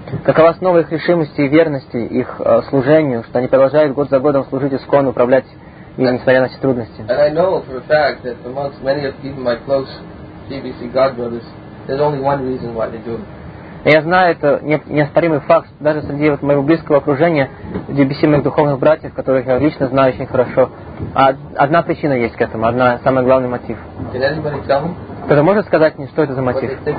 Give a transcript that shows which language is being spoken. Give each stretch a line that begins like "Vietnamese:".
Russian: Какова основа их решимости и верности их служению, что они продолжают год за годом служить ИСККОН, управлять им, несмотря на все трудности?
English: And I know for a fact that amongst many of even my close GBC God brothers, there's only one reason why they do it.
Russian: Я знаю, это неоспоримый факт, даже среди вот моего близкого окружения, GBC моих духовных братьев, которых я лично знаю очень хорошо. Одна причина есть к этому, одна, самый главный мотив. Кто-то может сказать мне, что это за мотив?